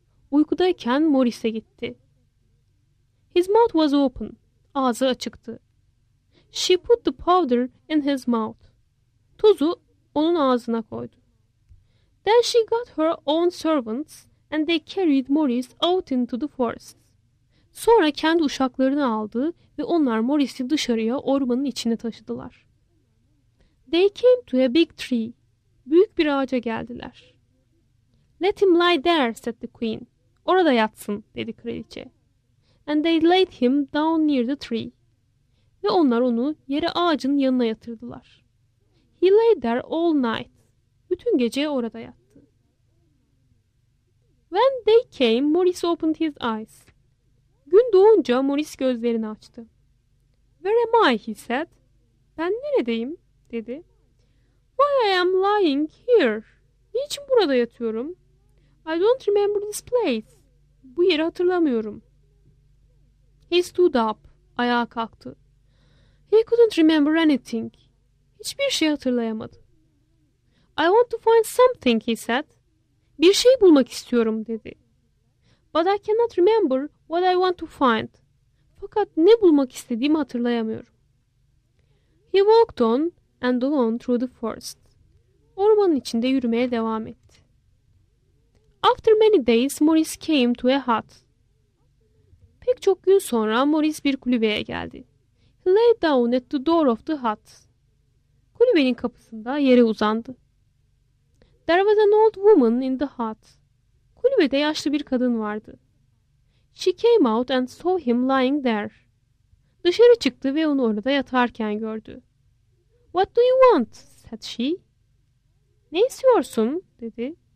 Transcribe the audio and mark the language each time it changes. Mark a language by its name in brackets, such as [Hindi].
[Turkish] Uykudayken Maurice'e gitti. [English] His mouth was open. [Turkish] Ağzı açıktı. [English] She put the powder in his mouth. [Turkish] Tozu onun ağzına koydu. [English] Then she got her own servants and they carried Maurice out into the forest. [Turkish] Sonra kendi uşaklarını aldı ve onlar Maurice'i dışarıya ormanın içine taşıdılar. [English] They came to a big tree. [Turkish] Büyük bir ağaca geldiler. [English] Let him lie there, said the queen. [Turkish] Orada yatsın, dedi kraliçe. [English] And they laid him down near the tree. [Turkish] Ve onlar onu yere ağacın yanına yatırdılar. [English] He lay there all night. [Turkish] Bütün gece orada yattı. [English] When they came, Maurice opened his eyes. [Turkish] Gün doğunca Maurice gözlerini açtı. [English] Where am I, he said. [Turkish] Ben neredeyim, dedi. [English] Why I am lying here. [Turkish] Niçin burada yatıyorum? [English] I don't remember this place. [Turkish] Bu yeri hatırlamıyorum. [English] He stood up. [Turkish] Ayağa kalktı. [English] He couldn't remember anything. [Turkish] Hiçbir şey hatırlayamadı. [English] I want to find something, he said. [Turkish] Bir şey bulmak istiyorum dedi. [English] But I cannot remember what I want to find. [Turkish] Fakat ne bulmak istediğimi hatırlayamıyorum. [English] He walked on and on through the forest. [Turkish] Ormanın içinde yürümeye devam etti. [English] After many days, Maurice came to a hut. [Turkish] Pek çok gün sonra Maurice bir kulübeye geldi. [English] He lay down at the door of the hut. [Turkish] Kulübenin kapısında yere uzandı. [English] There was an old woman in the hut. [Turkish] Kulübede yaşlı bir kadın vardı. [English] She came out and saw him lying there. [Turkish] Dışarı çıktı ve onu orada yatarken gördü. [English] What do you want? Said she. [Turkish] Ne istiyorsun? Dedi.